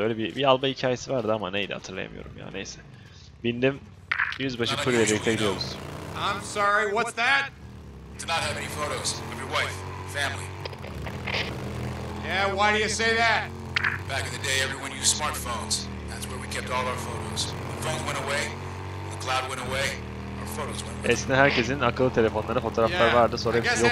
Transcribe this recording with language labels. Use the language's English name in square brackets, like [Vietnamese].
[Turkish] Öyle bir albay hikayesi vardı ama neydi hatırlayamıyorum ya, neyse. Bindim. Yüzbaşı Kuri ile birlikte gidiyoruz. [English] I'm sorry, what's that? To not have any photos of your wife, family. Yeah, why do you say that? Back in the day, everyone used smartphones. That's where we kept all our photos. When phones went away, the cloud went away, our photos went away. [Turkish] Esne herkesin akıllı telefonlarında fotoğraflar vardı, sonra hepsi yok oldu.